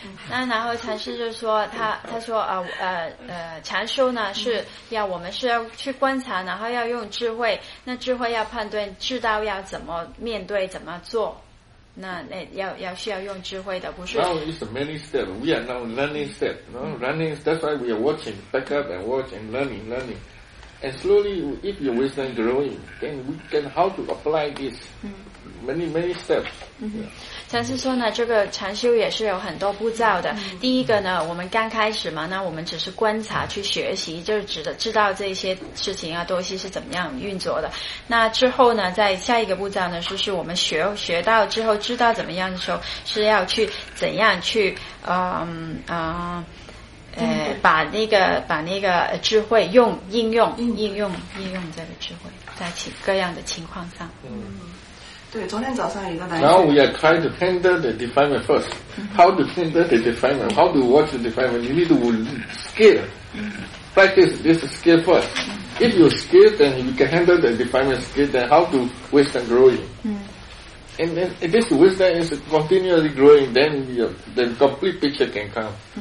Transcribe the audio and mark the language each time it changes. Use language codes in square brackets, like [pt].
[zh] 那然后禅师就说他说禅修呢是要我们是要去观察，然后要用智慧，那智慧要判断，知道要怎么面对，怎么做。那要需要用智慧的，不是。 [en] Now it's the many step. We are now learning step. You know? Learning. That's why we are watching, back up and watch and learning. And slowly, if your wisdom growing, then we can how to apply this. Many steps.、Mm-hmm. Yeah. [zh] 禅师说呢，这个禅修也是有很多步骤的。第一个呢，我们刚开始嘛，那我们只是观察去学习，就是知道这些事情啊东西是怎么样运作的。那之后呢，在下一个步骤呢，就是我们学到之后知道怎么样的时候，是要去怎样去把那个智慧应用这个智慧在各样的情况上。对，昨天早上有一个男生。 [en] Now we are trying to handle the defilement first. How to handle the defilement? How to watch the defilement? You need to skill. Practice this skill first. If you skill, then you can handle the defilement skill. Then how to wisdom growing? And then if this wisdom is continually growing, then the complete picture can come.